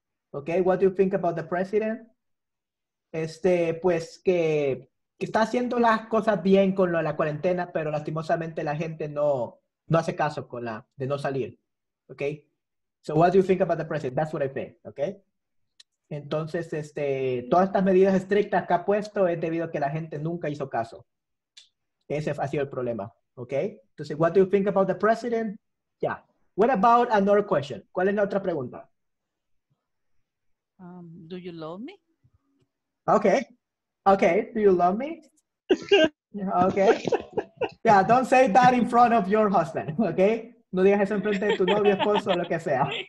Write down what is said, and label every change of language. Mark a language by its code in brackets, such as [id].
[en] Ok, what do you think about the president? [es] Pues que está haciendo las cosas bien con lo de la cuarentena, pero lastimosamente la gente no hace caso con la de no salir. [en] Ok, so what do you think about the president? That's what I think, ok. [es] Entonces, todas estas medidas estrictas que ha puesto es debido a que la gente nunca hizo caso. Ese ha sido el problema, ¿ok? Entonces, [en] what do you think about the president? Yeah. What about another question? [es] ¿Cuál es la otra pregunta? [en] Do you love me? Okay. Okay, do you love me? Okay. Yeah, don't say that in front of your husband, okay? [es] No digas eso en frente de tu novio, esposo, o lo que sea.